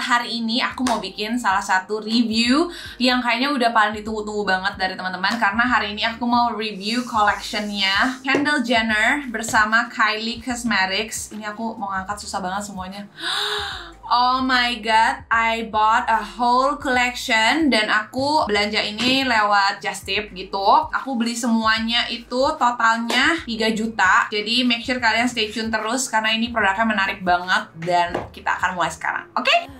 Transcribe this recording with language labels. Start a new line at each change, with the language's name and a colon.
Indonesian: Hari ini aku mau bikin salah satu review yang kayaknya udah paling ditunggu-tunggu banget dari teman-teman, karena hari ini aku mau review collection-nya Kendall Jenner bersama Kylie Cosmetics. Ini aku mau ngangkat, susah banget semuanya.
English: Oh my god, I bought a whole collection.
Indonesian: Dan aku belanja ini lewat JustTip gitu. Aku beli semuanya itu totalnya 3 juta. Jadi
English: make sure
Indonesian: kalian
English: stay tune
Indonesian: terus, karena ini produknya menarik banget. Dan kita akan mulai sekarang, oke? Okay?